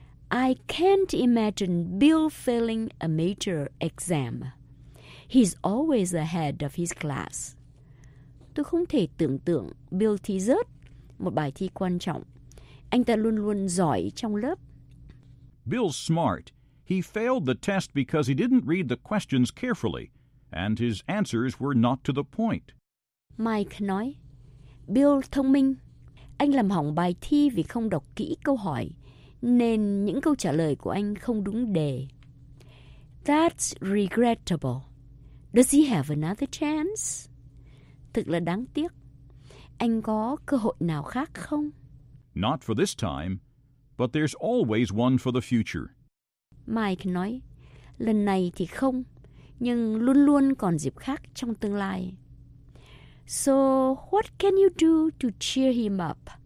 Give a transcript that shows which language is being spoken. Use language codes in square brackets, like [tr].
[en] I can't imagine Bill failing a major exam. He's always ahead of his class. [vi] Tôi không thể tưởng tượng Bill thi rớt một bài thi quan trọng. Anh ta luôn luôn giỏi trong lớp. [en] Bill's smart. He failed the test because he didn't read the questions carefully, and his answers were not to the point. [vi] Mike nói, Bill thông minh. Anh làm hỏng bài thi vì không đọc kỹ câu hỏi, nên những câu trả lời của anh không đúng đề. [en] That's regrettable. Does he have another chance? [vi] Thực là đáng tiếc. Anh có cơ hội nào khác không? [en] Not for this time, but there's always one for the future. [vi] Mike nói, lần này thì không, nhưng luôn luôn còn dịp khác trong tương lai. [en] So, what can you do to cheer him up?